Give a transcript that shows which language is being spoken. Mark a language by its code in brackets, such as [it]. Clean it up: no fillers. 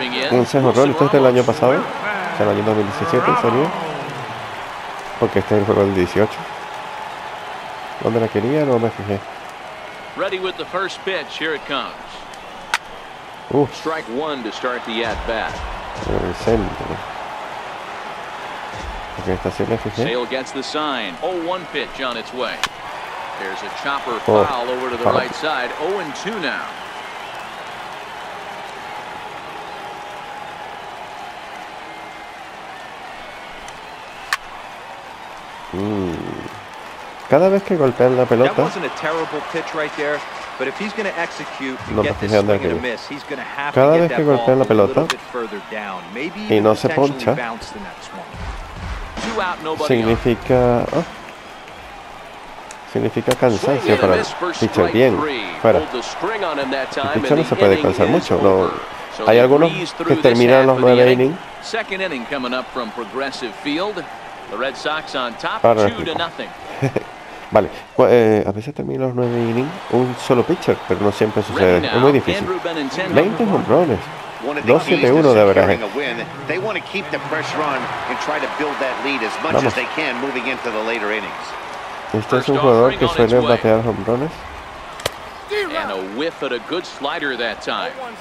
[es] Un sesgo rol, este es del año pasado. O sea, el año 2017 salió. Porque este es el juego del 18. ¿Dónde la quería? No me fijé. [en] Ready with the first pitch, here it comes. Strike one to start the at bat. [es] El centro. Okay, esta sí me fijé. [en] Sale gets the sign. 0-1 pitch on its way. There's a chopper foul over to the right side. 0-2 now. [es] Cada vez que golpean la pelota. No me fijé dónde aquello. Cada vez que golpean la pelota y no se poncha, significa. Significa cansancio para el pitcher. Bien, fuera. El pitcher no se puede cansar mucho. No, Hay algunos que terminan los 9 innings. [en] Second inning coming up from Progressive Field. The Red Sox on top, 2-0. [es] Vale, a veces termina los 9 innings un solo pitcher, pero no siempre sucede. Es muy difícil. 20 jonrones. 2-7-1 de average. [en] They want to keep the pressure on and try to build that lead as much as they can moving into the later innings. [es] Este es un jugador que suele batear jonrones. [en] And a whiff at a good slider that time.